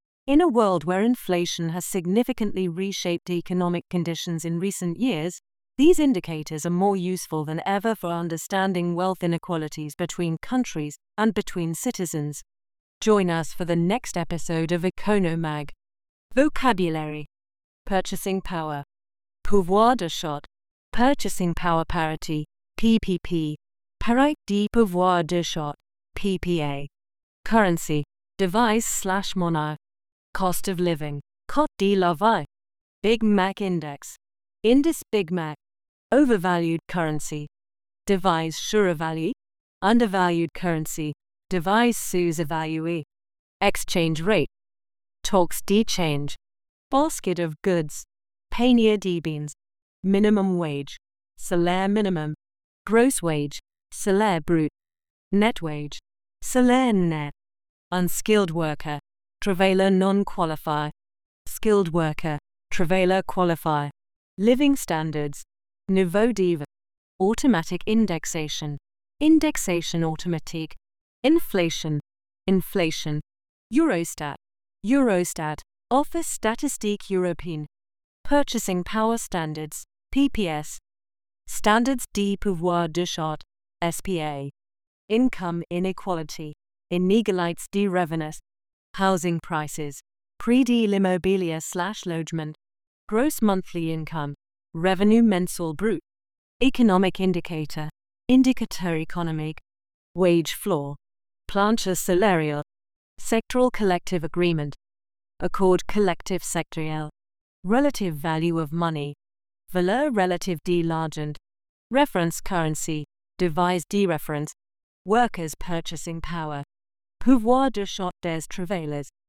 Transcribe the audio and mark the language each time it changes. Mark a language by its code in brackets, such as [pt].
[en] In a world where inflation has significantly reshaped economic conditions in recent years, these indicators are more useful than ever for understanding wealth inequalities between countries and between citizens. Join us for the next episode of EconoMag. Vocabulary. Purchasing power. [fr] Pouvoir d'achat. [en] Purchasing power parity. PPP. [fr] Parité de pouvoir d'achat. PPA. [en] Currency. [fr] Devise/monnaie. [en] Cost of living. [fr] Coût de la vie. [en] Big Mac Index. [fr] Indice Big Mac. [en] Overvalued currency. [fr] Devise surévalué. [en] Undervalued currency. [fr] Devise sous-évalué. [en] Exchange rate. [fr] Taux de change. [en] Basket of goods. [fr] Panier de biens. [en] Minimum wage. [fr] Salaire minimum. [en] Gross wage. [fr] Salaire brut. [en] Net wage. [fr] Salaire net. [en] Unskilled worker. [fr] Travailleur non qualifié. [en] Skilled worker. [fr] Travailleur qualifié. [en] Living standards. [fr] Niveau de vie. [en] Automatic indexation. [fr] Indexation automatique. [en] Inflation. Inflation. Eurostat. Eurostat. [fr] Office Statistique Européenne. [en] Purchasing power standards. PPS. [fr] Standards de pouvoir d'achat. SPA. [en] Income inequality. [fr] Inégalités de revenus. [en] Housing prices. [fr] Prix de l'immobilier/logement. [en] Gross monthly income. [fr] Revenue mensuel brut. [en] Economic indicator. [fr] Indicateur économique. [en] Wage floor. [fr] Plancher salarial. [en] Sectoral collective agreement. [fr] Accord collective sectoriel. [en] Relative value of money. [fr] Valeur relative de l'argent. [en] Reference currency. [fr] Devise de référence. [en] Workers' purchasing power. [fr] Pouvoir d'achat des travailleurs.